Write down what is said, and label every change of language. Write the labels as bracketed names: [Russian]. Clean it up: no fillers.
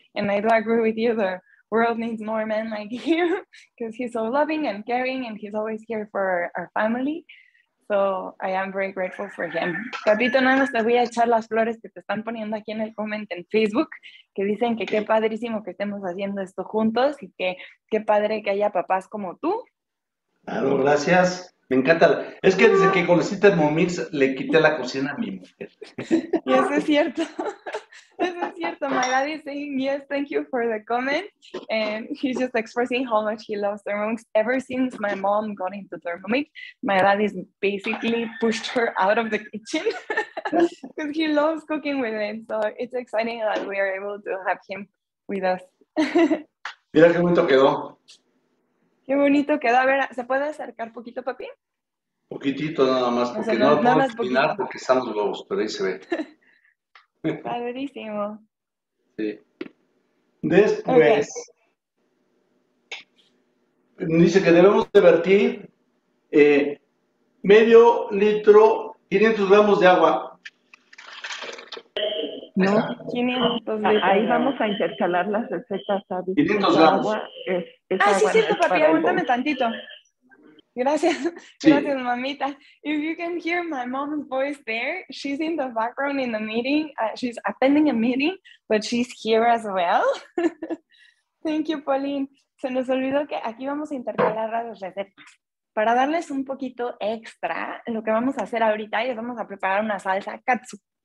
[English] And I do agree with you. The world needs more men like you because he's so loving and caring and he's always here for our family. So I am very grateful for him. [Spanish] Capito, nada más te voy a echar las flores que te están poniendo aquí en el comment en Facebook, que dicen que qué padrísimo que estemos haciendo esto juntos y que qué padre que haya papás como tú. Claro, gracias. Me encanta. Es que desde que conocí Thermomix, le quité la cocina a mi mujer. Y eso es cierto. Eso es cierto. [English] My dad is saying, yes, thank you for the comment. And he's just expressing how much he loves Thermomix. Ever since my mom got into Thermomix, my dad is basically pushed her out of the kitchen. Because he loves cooking with it. So it's exciting that we are able to have him with us. [Spanish] Mira qué bonito quedó. Qué bonito quedó. A ver, ¿se puede acercar poquito, papi? Poquitito nada más, porque no lo puedo afinar porque están los huevos, pero ahí se ve. Padrísimo. Sí. Después, okay. Dice que debemos de vertir medio litro, 500 gramos de agua. No, 500 litros. Ahí vamos a intercalar las recetas, ¿sabes? 500 gramos. Ah, sí, cierto, papi, aguántame tantito. Gracias, sí. Gracias, mamita. [English] If you can hear my mom's voice there, she's in the background in the meeting. She's attending a meeting, but she's here as well. Thank you, Pauline. [Spanish] Se nos olvidó que aquí vamos a intercalar las recetas. Para darles un poquito extra, lo que vamos a hacer ahorita es vamos a preparar una salsa katsu.